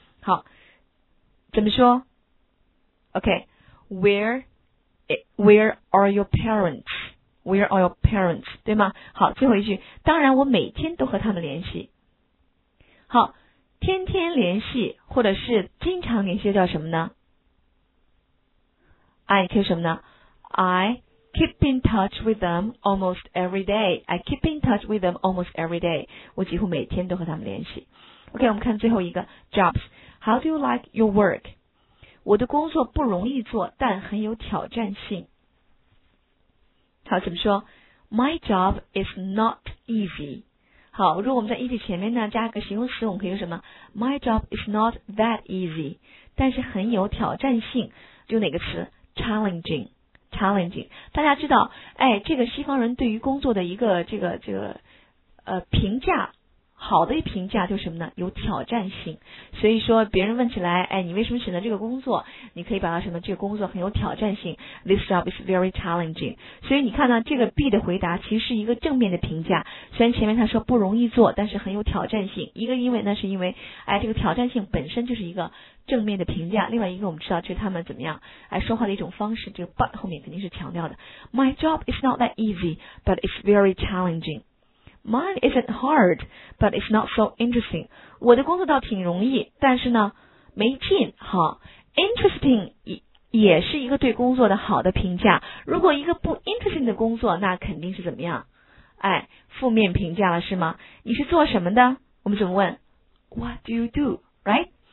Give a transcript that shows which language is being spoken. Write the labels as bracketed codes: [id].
[zh] 好，怎么说 [en] ？OK，where are your parents？ Where are your parents？ [zh] 对吗？好，最后一句，当然我每天都和他们联系。好。天天联系或者是经常联系叫什么呢？爱听什么呢？ [en] I keep in touch with them almost every day. I keep in touch with them almost every day. [zh] 我几乎每天都和他们联系。 [en] OK, [zh] 我们看最后一个 [en] Jobs. How do you like your work? [zh] 我的工作不容易做但很有挑战性。好，怎么说？ [en] My job is not easy. [zh] 好，如果我们在 easy 前面呢加个形容词，我们可以用什么 ？ [en] My job is not that easy， [zh] 但是很有挑战性，就哪个词 ？challenging，challenging。 Challenging, 大家知道，哎，这个西方人对于工作的一个这个评价，好的评价就是什么呢？有挑战性。所以说，别人问起来，哎，你为什么选择这个工作？你可以把它什么？这个工作很有挑战性。 [en] This job is very challenging. [zh] 所以你看呢，这个 B 的回答其实是一个正面的评价。虽然前面他说不容易做，但是很有挑战性。一个因为呢，是因为哎，这个挑战性本身就是一个正面的评价。另外一个我们知道，就是他们怎么样哎说话的一种方式，这个 but 后面肯定是强调的。 [en] My job is not that easy, but it's very challenging. Mine isn't hard, but it's not so interesting. [zh] 我的工作倒挺容易，但是呢，没劲。好 ，interesting 也是一个对工作的好的评价。如果一个不 interesting 的工作，那肯定是怎么样？哎，负面评价了是吗？你是做什么的？我们怎么问 [en] ？What do you do? Right?